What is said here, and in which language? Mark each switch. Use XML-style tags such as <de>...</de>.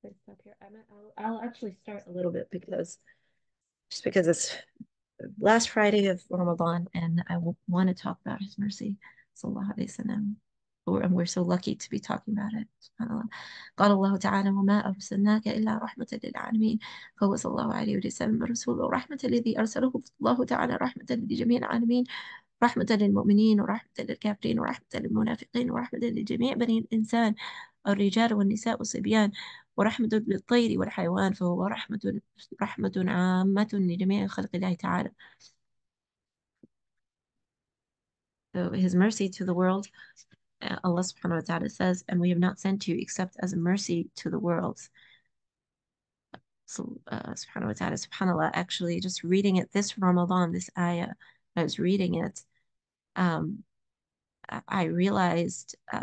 <en>Up here. I'll actually start a little bit because it's last Friday of Ramadan, and I want to talk about his mercy, sallallahu alaihi wasallam, and we're so lucky to be talking about it.</en> <ar>قال الله تعالى وما أرسلناك إلا رحمة للعالمين فهو صلى الله عليه وسلم رسول رحمة الذي أرسله الله تعالى رحمة لجميع العالمين رحمة للمؤمنين ورحمة للكافرين ورحمة للمنافقين ورحمة لجميع بني الإنسان الرجال والنساء والصبيان ورحمة للطير والحيوان فهو رحمة عامة لجميع خلق الله تعالى.</ar> <en>So his mercy to the world, Allah subhanahu wa ta'ala says, and we have not sent you except as a mercy to the world. So subhanahu wa ta'ala, subhanAllah, actually just reading it this Ramadan, this ayah, I was reading it, I realized,</en>